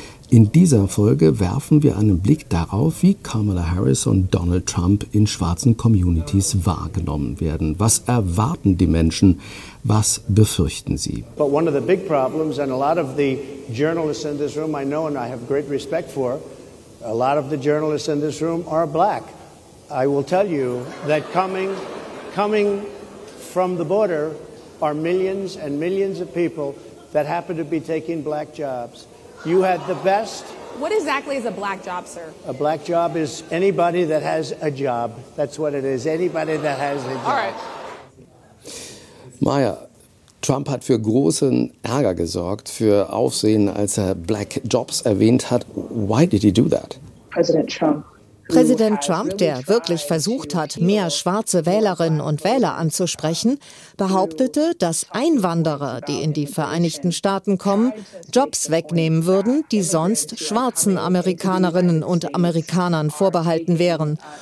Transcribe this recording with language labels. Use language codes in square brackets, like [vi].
[de] In dieser Folge werfen wir einen Blick darauf, wie Kamala Harris und Donald Trump in schwarzen Communities wahrgenommen werden. Was erwarten die Menschen? Was befürchten sie? [en] But one of the big problems, and a lot of the journalists in this room I know and I have great respect for, a lot of the journalists in this room are black. I will tell you that coming from the border are millions and millions of people that happen to be taking black jobs. You had the best. What exactly is a black job, sir? A black job is anybody that has a job. That's what it is. Anybody that has a job. All right. [de] Maya, Trump hat für großen Ärger gesorgt, für Aufsehen, als er Black Jobs erwähnt hat. [en] Why did he do that? President Trump. [de] Präsident Trump, der wirklich versucht hat, mehr schwarze Wählerinnen und Wähler anzusprechen, behauptete, dass Einwanderer, die in die Vereinigten Staaten kommen, Jobs wegnehmen würden, die sonst schwarzen Amerikanerinnen und Amerikanern vorbehalten wären.